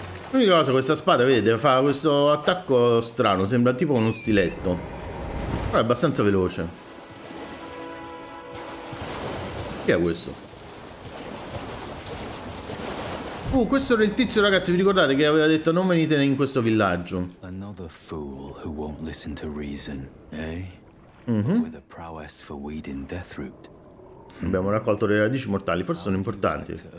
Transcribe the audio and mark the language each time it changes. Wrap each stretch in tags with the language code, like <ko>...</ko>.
<it>L'unica cosa, questa spada, vedete, fa questo attacco strano. Sembra tipo uno stiletto, però è abbastanza veloce. Chi è questo? Questo era il tizio, ragazzi, vi ricordate che aveva detto non venite in questo villaggio?</it> <en>Another fool who won't listen to reason, eh? With a prowess for weeding Deathroot.</en> <it>Abbiamo raccolto le radici mortali, forse sono importanti.</it>